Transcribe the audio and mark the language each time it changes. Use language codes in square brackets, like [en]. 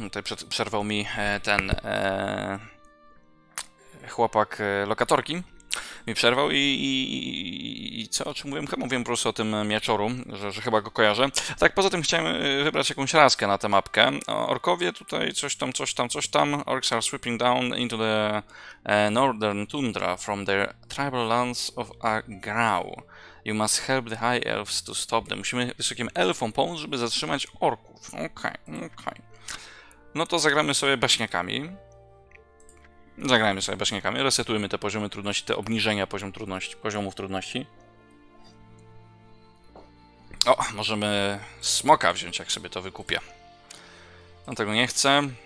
[pl] Tutaj przerwał mi ten chłopak lokatorki. Mi przerwał i co, o czym mówiłem? Chyba mówiłem po prostu o tym mieczoru, że chyba go kojarzę. Tak, poza tym chciałem wybrać jakąś laskę na tę mapkę. Orkowie tutaj, coś tam, coś tam, coś tam. [en] Orks are sweeping down into the northern tundra from their tribal lands of Agrau. You must help the high elves to stop them. [pl] Musimy wysokim elfom pomóc, żeby zatrzymać orków. Okej. No to zagramy sobie baśniakami. Zagrajmy sobie baśniakami, resetujmy te poziomy trudności, te obniżenia poziomów trudności. O, możemy smoka wziąć, jak sobie to wykupię. No tego nie chcę.